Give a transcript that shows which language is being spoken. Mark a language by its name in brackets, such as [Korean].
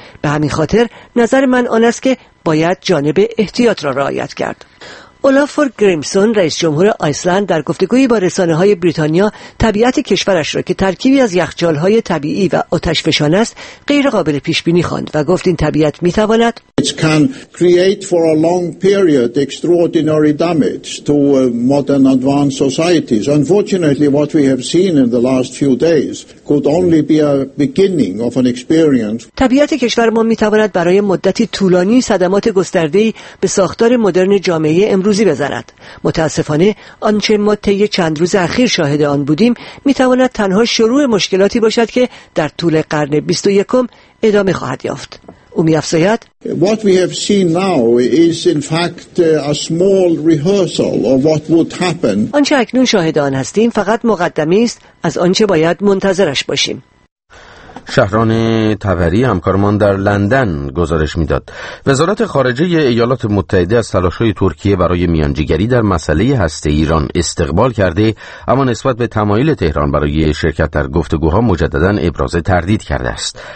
[Persian] به همین خاطر نظر من آن است که باید جانب احتیاط را رعایت کرد. اولافور گریمسون، رئیس جمهور آیسلند، در گفتگوی با رسانه‌های بریتانیا طبیعت کشورش را که ترکیبی از یخچال‌های طبیعی و آتش‌فشان است غیر قابل پیش‌بینی خواند و گفت این طبیعت می‌تواند [English] It can create for a long period extraordinary damage to modern advanced societies. Unfortunately, what we have seen in the last few days could only be a beginning of an experience. [Persian] طبیعت کشور ما می‌تواند برای مدتی طولانی صدمات گسترده‌ای به ساختار مدرن جامعه امروزی بزند. متاسفانه آنچه ما طی چند روز اخیر شاهد آن بودیم میتواند تنها شروع مشکلاتی باشد که در طول قرن 21 ادامه خواهد یافت. او میافزاید [English] What we have seen now is in fact a small rehearsal of what would happen. [Persian] آنچه اکنون شاهد آن هستیم فقط مقدمه است از آنچه باید منتظرش باشیم. شهران طبری همکارمان در لندن گزارش می‌داد. وزارت خارجه ایالات متحده از تلاش‌های ترکیه برای میانجیگری در مسئله هسته ایران استقبال کرده، اما نسبت به تمایل تهران برای شرکت در گفتگوها مجدداً ابراز تردید کرده است.